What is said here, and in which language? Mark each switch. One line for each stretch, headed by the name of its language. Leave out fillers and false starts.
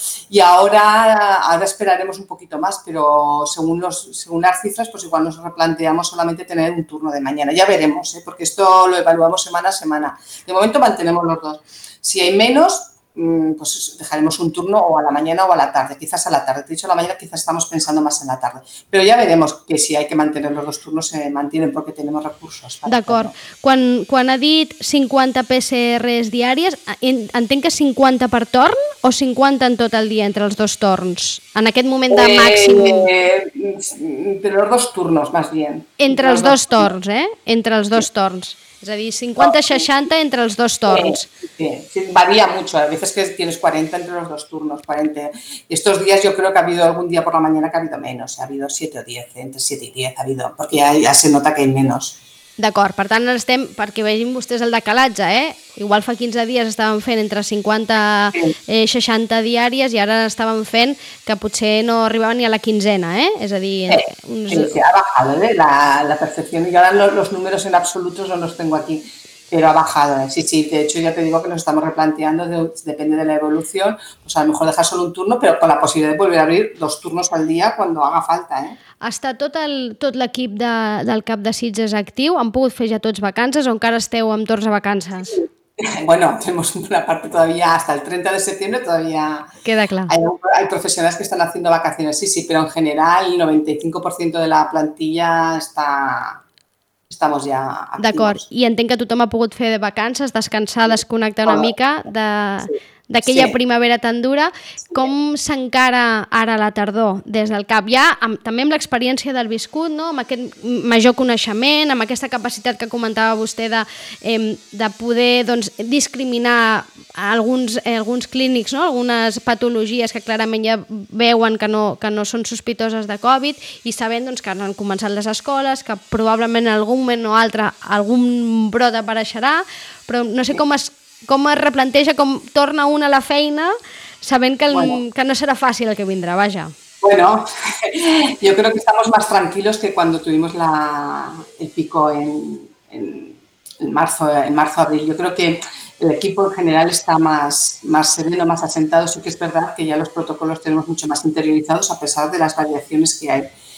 Spanish: Y ahora esperaremos un poquito más, pero según las cifras, pues igual nos replanteamos solamente tener un turno de mañana. Ya veremos, ¿eh? Porque esto lo evaluamos semana a semana. De momento mantenemos los dos. Si hay menos, pues dejaremos un turno o a la mañana o a la tarde, quizás a la tarde. De hecho, a la mañana quizás estamos pensando más en la tarde. Pero ya veremos que si hay que mantener los dos turnos, se mantienen porque tenemos recursos.
Catalan: D'acord. Quan ha dit 50 PCRs diàries, entenc que 50 per torn o 50 en tot el dia entre els dos torns? En aquest moment de màxim... Entre els dos turnos, més bé. Entre els dos torns, eh? Entre els dos torns. És a dir, 50-60 entre els dos torns.
Spanish: Sí, varia mucho. A veces que tienes 40 entre los dos turnos, 40. Y estos días yo creo que ha habido algún día por la mañana que ha habido menos. Ha habido 7 o 10, entre 7 y 10 ha habido. Porque ya se nota que hay menos.
Catalan: D'acord. Per tant, estem, perquè vegin vostès el decalatge, eh? Igual fa 15 dies estàvem fent entre 50-60 diàries i ara estàvem fent que potser no arribaven ni a la quinzena, eh? És a dir...
Spanish: Ha bajado, ¿eh? La percepció. Y ahora los números en absolutos no los tengo aquí. Pero ha bajado, ¿eh? Sí, sí. De hecho, ya te digo que nos estamos replanteando, depende de la evolución. Pues a lo mejor dejar solo un turno, pero con la posibilidad de volver a abrir 2 turnos al día cuando haga falta, ¿eh?
Catalan: Està tot l'equip del CAP de Sitges actiu? Han pogut fer ja tots vacances o encara esteu amb torns a vacances?
Spanish: Bueno, tenemos una parte todavía hasta el 30 de septiembre todavía...
Catalan: Queda clar.
Spanish: Hay profesionales que están haciendo vacaciones, sí, sí, pero en general el 95% de la plantilla estamos ya activos.
Catalan: D'acord, i entenc que tothom ha pogut fer de vacances, descansar, desconnectar una mica de... Sí. D'aquella primavera tan dura, com s'encara ara la tardor des del CAP? Ja també amb l'experiència del viscut, no? Amb aquest major coneixement, amb aquesta capacitat que comentava vostè de poder doncs, discriminar alguns clínics, no? Algunes patologies que clarament ja veuen que no són sospitoses de Covid i sabent doncs, que han començat les escoles, que probablement en algun moment o altre algun brot apareixerà, però no sé com es replanteja, com torna un a la feina, sabent que no serà fàcil el que vindrà, vaja.
Spanish: Bueno, yo creo que estamos más tranquilos que cuando tuvimos el pico en marzo-abril. Yo creo que el equipo en general está más sereno, más asentado. Sí que es verdad que ya los protocolos tenemos mucho más interiorizados a pesar de las variaciones que hay.